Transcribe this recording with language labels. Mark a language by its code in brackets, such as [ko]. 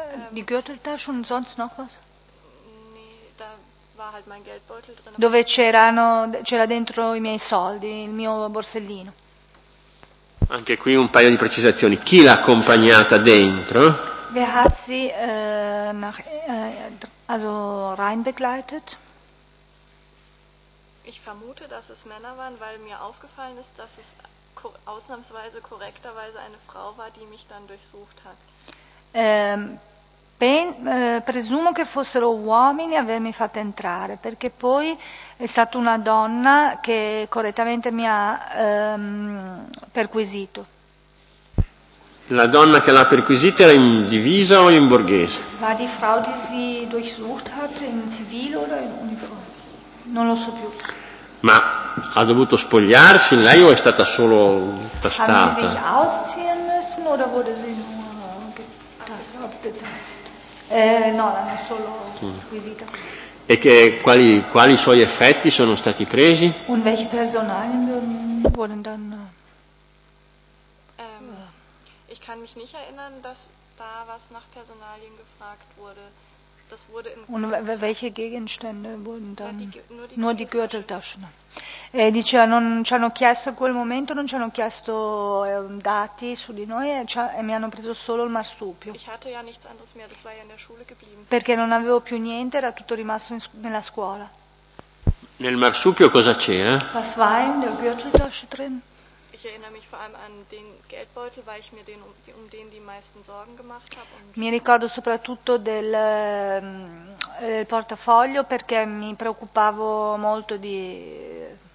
[de] Die Gürteltasche und sonst noch was? Nee, da war halt mein Geldbeutel drin. [it] Dove c'erano, c'era dentro i miei soldi, il mio borsellino. Anche qui un paio di precisazioni. Chi l'ha accompagnata dentro? [de] Wer hat sie nach also rein begleitet? Ich vermute, dass es Männer waren, weil mir aufgefallen ist, dass es ausnahmsweise korrekterweise eine Frau war, die mich dann durchsucht hat. [it] Presumo che fossero uomini avermi fatto entrare, perché poi è stata una donna che correttamente mi ha perquisito. La donna che l'ha perquisita era in divisa o in borghese? La di [de] Frau die sie durchsucht hat, [it] in civile o in uniforme? Non lo so più. Ma ha dovuto spogliarsi lei o è stata solo tastata? Ha dovuto [de] ausziehen müssen oder wurde sie nur getastet? [it] No, l'hanno solo perquisita. E che, quali suoi effetti sono stati presi? [de] Und welche Personalien wurden dann... Ich kann mich nicht erinnern, dass da was nach Personalien gefragt wurde. Das wurde im Und welche Gegenstände wurden dann? Nur die Gürteltaschen. [it] Diceva, non ci hanno chiesto in quel momento, non ci hanno chiesto dati su di noi e mi hanno preso solo il marsupio. [de] Ich hatte ja nichts anderes mehr, das war ja in der Schule geblieben. [it] Perché non avevo più niente, era tutto rimasto nella scuola. Nel marsupio cosa c'era? [de] Was war in der Gürteltasche drin? Ich erinnere mich vor allem an den Geldbeutel, weil ich mir den um den die meisten Sorgen gemacht habe. [it] Mi ricordo soprattutto del portafoglio perché mi preoccupavo molto di.